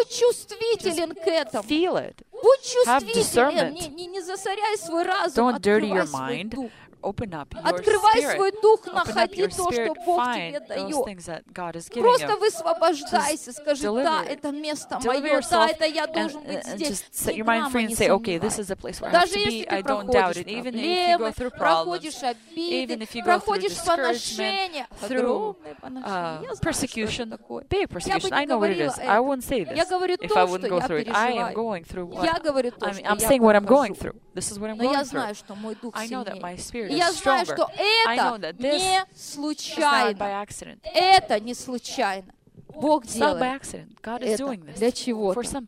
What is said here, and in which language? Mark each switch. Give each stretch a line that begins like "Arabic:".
Russian: Будь чувствителен к этому. Будь чувствителен, не засоряй свой разум,
English: don't
Russian: открывай
English: dirty your mind.
Russian: Свой дух. Открывай свой дух, находи то, что Бог тебе дает. Просто высвобождайся, скажи, да, это место мое, да, это я должен быть здесь.
English: Your mind free and say, okay, this is the place where I have to be. I don't doubt it. Even if you go through problems, even if you go through discouragement, through persecution, be a persecution. I know what it is. I wouldn't say this.
Russian: Я говорю то, что я переживаю.
English: I am going through what.
Russian: Я говорю то, что я
English: I'm saying what I'm going through. This is what I'm going through.
Russian: Но я знаю, что мой дух сильнее. И я знаю, что это не случайно. Это не случайно. Бог делает это. Для чего-то.